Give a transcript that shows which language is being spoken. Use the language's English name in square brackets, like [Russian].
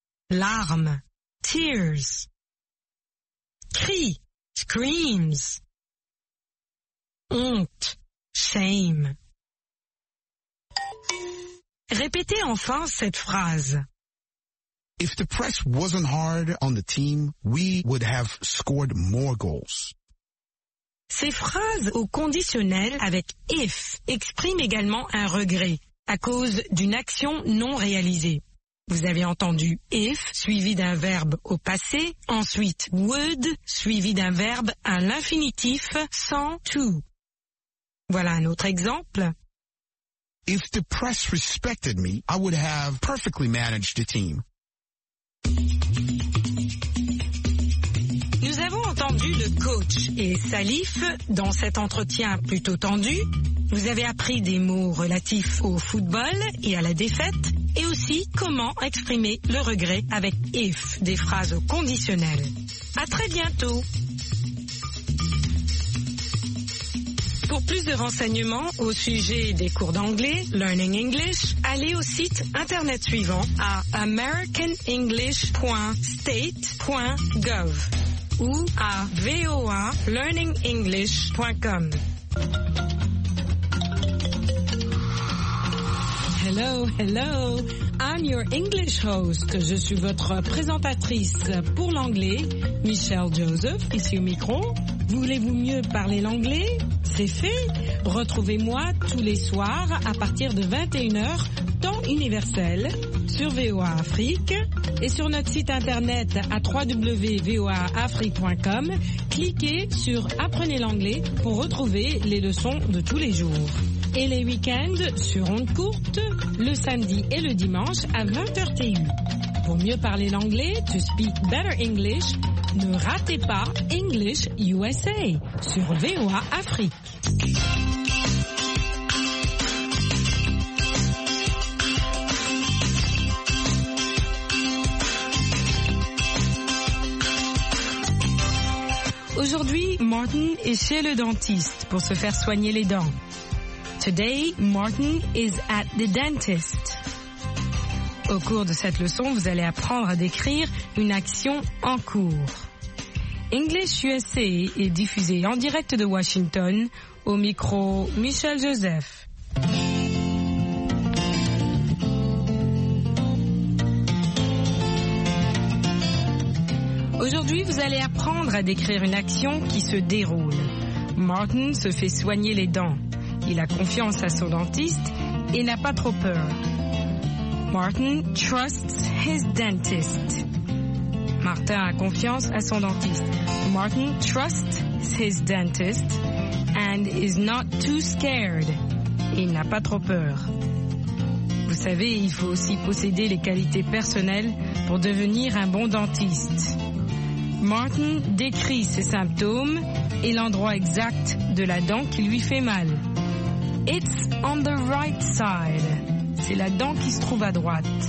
[French] Larmes, [English] tears. [French] Cris, [English] screams. [French] Honte, [English] shame. [French] Répétez enfin cette phrase. [English] If the press wasn't hard on the team, we would have scored more goals. [French] Ces phrases au conditionnel avec if expriment également un regret à cause d'une action non réalisée. Vous avez entendu if suivi d'un verbe au passé, ensuite would suivi d'un verbe à l'infinitif sans to. Voilà un autre exemple. If the press respected me, I would have perfectly managed the team. Nous avons entendu le coach et Salif dans cet entretien plutôt tendu. Vous avez appris des mots relatifs au football et à la défaite et aussi comment exprimer le regret avec if, des phrases conditionnelles. À très bientôt. Pour plus de renseignements au sujet des cours d'anglais, Learning English, allez au site internet suivant à americanenglish.state.gov ou à voalearningenglish.com. [English] Hello, hello, I'm your English host. [French] Je suis votre présentatrice pour l'anglais, Michelle Joseph, ici au micro. Voulez-vous mieux parler l'anglais? C'est fait. Retrouvez-moi tous les soirs à partir de 21h, temps universel, sur VOA Afrique et sur notre site internet à www.voaafrique.com. Cliquez sur Apprenez l'anglais pour retrouver les leçons de tous les jours. Et les week-ends sur ondes courtes, le samedi et le dimanche à 20h TU. Pour mieux parler l'anglais, [English] to speak better English, [French] ne ratez pas English USA sur VOA Afrique. Aujourd'hui, Martin est chez le dentiste pour se faire soigner les dents. [English] Today, Martin is at the dentist. [French] Au cours de cette leçon, vous allez apprendre à décrire une action en cours. English USA est diffusé en direct de Washington au micro Michel Joseph. Aujourd'hui, vous allez apprendre à décrire une action qui se déroule. Martin se fait soigner les dents. Il a confiance à son dentiste et n'a pas trop peur. [English] Martin trusts his dentist. [French] Martin a confiance à son dentiste. [English] Martin trusts his dentist and is not too scared. [French] Il n'a pas trop peur. Vous savez, il faut aussi posséder les qualités personnelles pour devenir un bon dentiste. Martin décrit ses symptômes et l'endroit exact de la dent qui lui fait mal. [English] It's on the right side. [French] C'est la dent qui se trouve à droite.